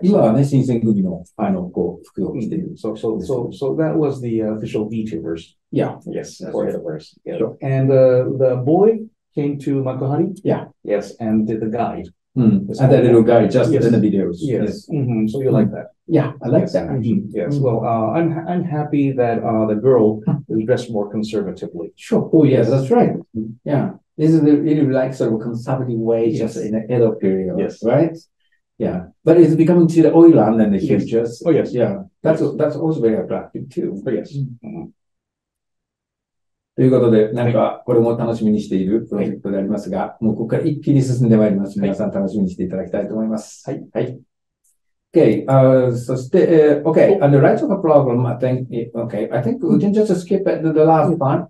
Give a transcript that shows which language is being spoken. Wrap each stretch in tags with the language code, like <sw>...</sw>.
<ja>今はね、新選組の、こう、服を着ている。</ja> <en>So, so, so, so that was the official VTubers. Yeah. Yes. For Ediverse. Yeah. And the boy came to Makuhari. Yeah. Yes. And did the guide. Mm. And that little guy just in the videos. Yes. Yes. Mm-hmm. So you like that. Yeah, I like that. Mm-hmm. Yes. Mm-hmm. Well, I'm happy that, the girl is dressed more conservatively. Sure. Oh, yes, that's right. Yeah. This is a really like sort of a conservative way just in the Edo period. Yes. Right? Yeah. But it's becoming to the Oiran and the hipsters. Yes. Oh, yes. Yeah. That's, yes. That's also very attractive too. Oh, yes. Mm-hmm.</en> <ja>ということで、何かこれも楽しみにしているプロジェクトでありますが、はい、もうここから一気に進んでまいります。皆さん楽しみにしていただきたいと思います。はい。はい。</ja> <en>Okay.</en> <ja>そして、Okay.</ja> <en>And the rights of a problem, I think, okay. I think we can just skip it to the last one.</en>